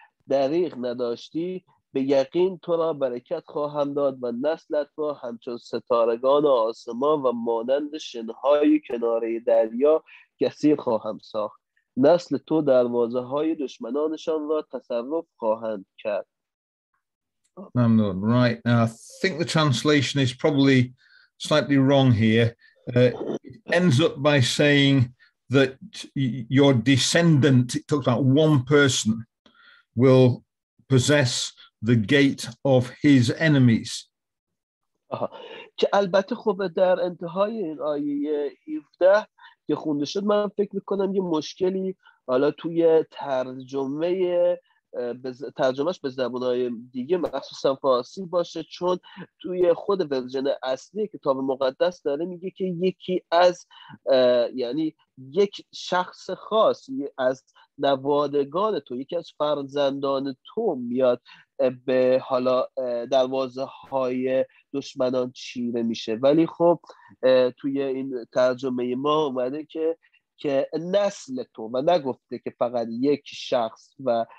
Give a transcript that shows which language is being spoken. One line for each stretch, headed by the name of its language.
Persian: دریغ نداشتی، به یقین تو را برکت خواهم داد و نسلت را همچون ستارگان آسمان و مانند شنهای کناره دریا کثیر خواهم ساخت، نسل تو دروازه های دشمنانشان را تصرف خواهند کرد.
English: Right. I think the translation is probably slightly wrong here. It ends up by saying that your descendant, it talks about one person, will possess the gate of his enemies.
Persian: که البته خب در انتهای این آیه 17 که خونده شد من فکر میکنم یه مشکلی حالا توی ترجمه ترجمهش به زبانهای دیگه مخصوصا فارسی باشه، چون توی خود ورژن اصلی کتاب مقدس داره میگه که یکی از یعنی یک شخص خاص از نوادگان تو، یکی از فرزندان تو میاد به حالا دروازه های دشمنان چیره میشه، ولی خب توی این ترجمه ما اومده که نسل تو و نگفته که فقط یک شخص و یک نفر از نسل تو.